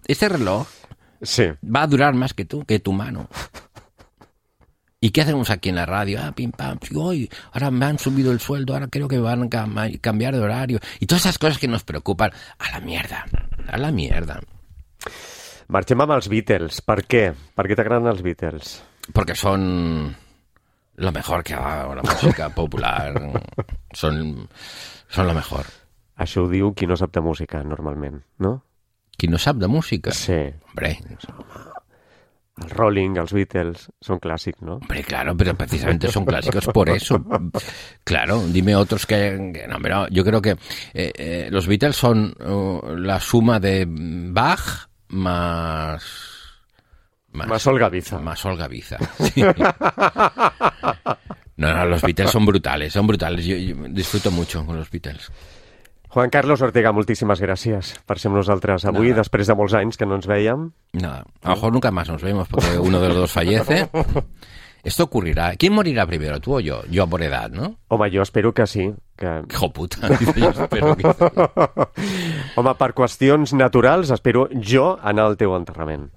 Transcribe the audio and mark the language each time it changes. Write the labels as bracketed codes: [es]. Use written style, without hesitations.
[es] Este reloj va a durar más que tú, que tu mano. ¿Y qué hacemos aquí en la radio? Ah, pim, pam, uy, ahora me han subido el sueldo, ahora creo que van a cambiar de horario. Y todas esas cosas que nos preocupan, a la mierda, a la mierda. [ca] Marxem amb els Beatles. Per què? Per què t'agraden els Beatles? Perquè són [es] lo mejor [ca] que ha la música popular. Són [es] lo mejor. [ca] Això ho diu qui no sap de música, normalment, no? Qui no sap de música? Sí. [es] Hombre. [ca] El Rolling, els Beatles, són clàssics, no? [es] Hombre, claro, pero precisamente son clásicos por eso. Claro, dime otros que... No, pero yo creo que los Beatles son la suma de Bach más... Más Olga Viza. Más Olga Viza, sí. No, no, los Beatles son brutales, son brutales. Yo disfruto mucho con los Beatles. [ca] Juan Carlos Ortega, moltíssimes gràcies per ser amb nosaltres avui, [es] nada. [ca] Després de molts anys que no ens veiem. [es] Nada. A lo mejor nunca más nos vemos porque uno de los dos fallece. Esto ocurrirá. ¿Quién morirá primero, tú o yo? Yo por edad, ¿no? [ca] Home, jo espero que sí. Que... [es] Hijo puta, [ca] jo espero que sí. Home, per qüestions naturals, espero jo anar al teu enterrament.